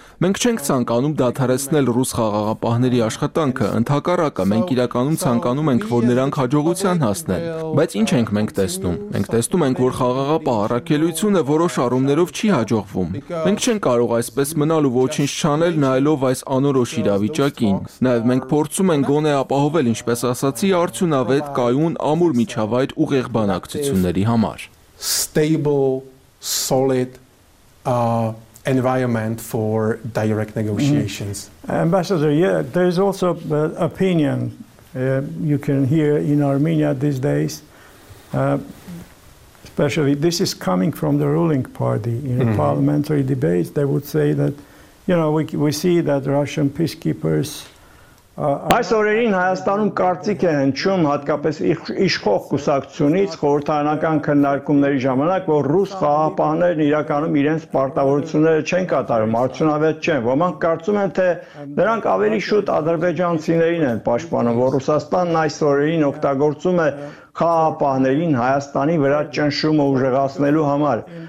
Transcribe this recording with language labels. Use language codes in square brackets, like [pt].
[hy] Մենք չենք ցանկանում դադարեցնել ռուս խաղաղապահների աշխատանքը, ընդհակառակը մենք իրականում ցանկանում ենք, որ նրանք հաջողության հասնեն։ Բայց ինչ ենք մենք տեսնում։ Մենք տեսնում ենք, որ խաղաղապահ առաքելությունը որոշ առումներով չի հաջողվում։ Մենք չենք կարող այսպես մնալ ու ոչինչ չանել, նայելով այս անորոշ իրավիճակին։ Նաև մենք փորձում ենք գոնե ապահովել, ինչպես ասացի, արդյունավետ կայուն ամուր միջավայր ուղեղ բանակցությունների համար։ [en] Stable, solid environment for direct negotiations. Mm-hmm. Ambassador, yeah, there is also opinion you can hear in Armenia these days, especially this is coming from the ruling party in mm-hmm. parliamentary debates. They would say that, you know, we see that Russian peacekeepers. [hy] Այս օրերին Հայաստանում կարծիք է հնչում հատկապես իշխող կուսակցությունից խորհրդարանական քննարկումների ժամանակ, որ ռուս խաղապահներն իրականում իրենց պարտավորությունները չեն կատարում, արդյունավետ չեն։ Ոմանք կարծում են, թե նրանք ավելի շուտ ադրբեջանցիներին են պաշտպանում, որ Ռուսաստանն այս օրերին օգտագործում է խաղապահներին Հայաստանի վրա ճնշումը ուժեղացնելու համար։